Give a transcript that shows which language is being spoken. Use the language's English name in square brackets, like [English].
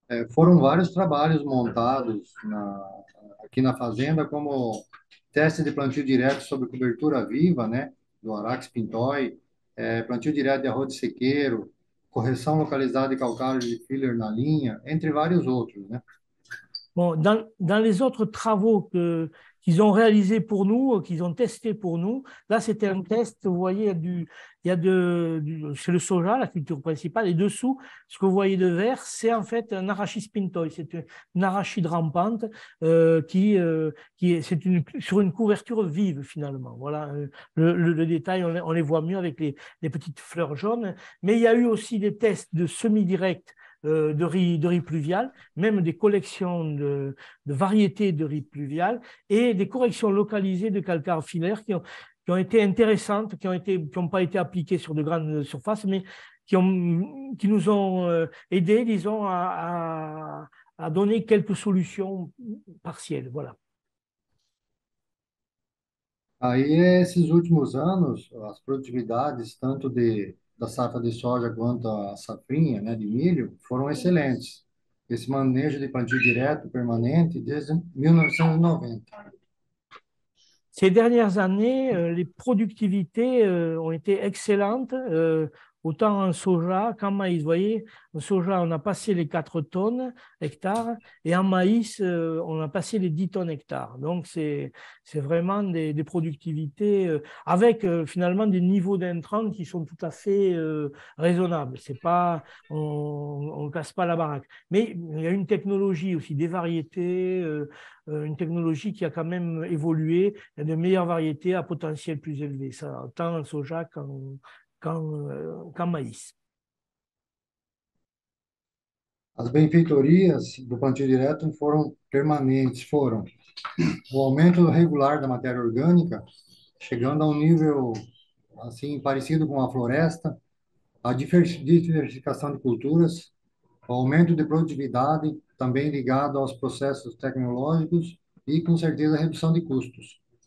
[Portuguese] Foram vários trabalhos montados aqui na fazenda, como teste de plantio direto sobre cobertura viva, né, do Arax pintoi, plantio direto de arroz de sequeiro, correção localizada de calcário de filler na linha, entre vários outros, né? [French] Bon, dans les autres travaux qu'ils ont réalisé pour nous, qu'ils ont testé pour nous. Là, c'était un test. Vous voyez, c'est le soja, la culture principale. Et dessous, ce que vous voyez de vert, c'est en fait un arachis pintoi. C'est un arachide rampante qui est, c'est une sur une couverture vive finalement. Voilà le détail. On les voit mieux avec les petites fleurs jaunes. Mais il y a eu aussi des tests de semi-direct. De riz pluvial, même des collections de variétés de riz pluvial et des corrections localisées de calcaire filaire qui ont été intéressantes, qui n'ont pas été appliquées sur de grandes surfaces, mais qui nous ont aidés, disons, à donner quelques solutions partielles. Voilà. [Portuguese] Aí, esses últimos anos, as produtividades, tanto da safra de soja quanto a safrinha, né, de milho, foram excelentes. Esse manejo de plantio direto permanente desde 1990. [French] Ces dernières années, les productivités ont été excellentes, autant en soja qu'en maïs. Vous voyez, en soja, on a passé les 4 tonnes hectares et en maïs, on a passé les 10 tonnes hectares. Donc, c'est vraiment des productivités avec finalement des niveaux d'intrants qui sont tout à fait raisonnables. C'est pas, on ne casse pas la baraque. Mais il y a une technologie aussi, des variétés, une technologie qui a quand même évolué. Il y a de meilleures variétés à potentiel plus élevé, ça, tant en soja qu'en maïs. [Portuguese] As benfeitorias do plantio direto foram permanentes, foram o aumento regular da matéria orgânica, chegando a um nível assim parecido com a floresta, a diversificação de culturas, o aumento de produtividade, também ligado aos processos tecnológicos e, com certeza, a redução de custos.